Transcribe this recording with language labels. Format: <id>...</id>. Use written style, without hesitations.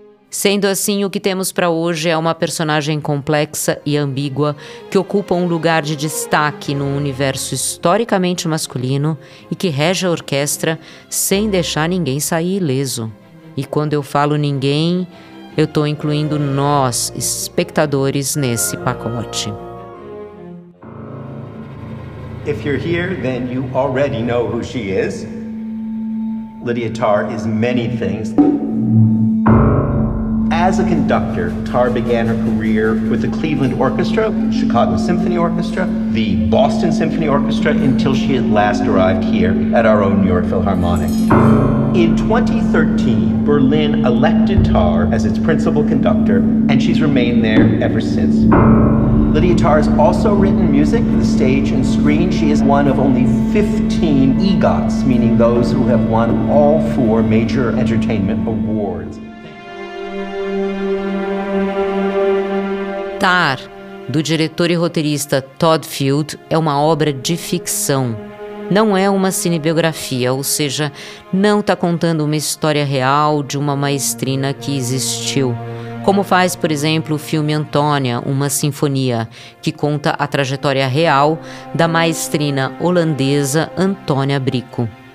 <pt>Sendo assim, o que temos para hoje é uma personagem complexa e ambígua que ocupa um lugar de destaque no universo historicamente masculino e que rege a orquestra sem deixar ninguém sair ileso. E quando eu falo ninguém, eu estou incluindo nós, espectadores, nesse pacote.</pt> <en>If you're here, then you already know who she is. Lydia Tár is many things. As a conductor, Tár began her career with the Cleveland Orchestra, Chicago Symphony Orchestra, the Boston Symphony Orchestra, until she at last arrived here at our own New York Philharmonic. In 2013, Berlin elected Tár as its principal conductor, and she's remained there ever since. Lydia Tarr has also written music for the stage and screen. She is one of only 15 EGOTs, meaning those who have won all four major entertainment awards.</en> <pt>Tarr, do diretor e roteirista Todd Field, é uma obra de ficção. Não é uma cinebiografia, ou seja, não está contando uma história real de uma maestrina que existiu. Como faz, por exemplo, o filme Antônia, uma sinfonia, que conta a trajetória real da maestrina holandesa Antônia Brico.</pt>